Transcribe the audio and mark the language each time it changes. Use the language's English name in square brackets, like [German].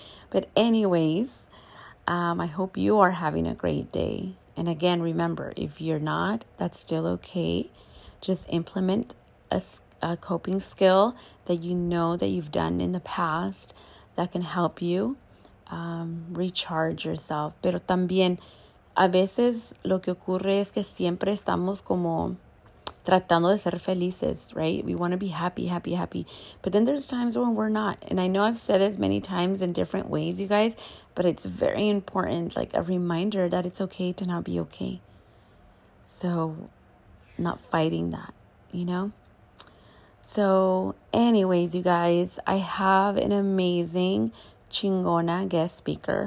[English] But anyways, I hope you are having a great day. And again, remember, if you're not, that's still okay. Just implement a coping skill that you know that you've done in the past that can help you recharge yourself. [Spanish] Pero también a veces lo que ocurre es que siempre estamos como tratando de ser felices, [English] right? We want to be happy, happy, happy. But then there's times when we're not. And I know I've said this many times in different ways, you guys, but it's very important, like a reminder that it's okay to not be okay. So not fighting that, you know? So anyways, you guys, I have an amazing chingona guest speaker.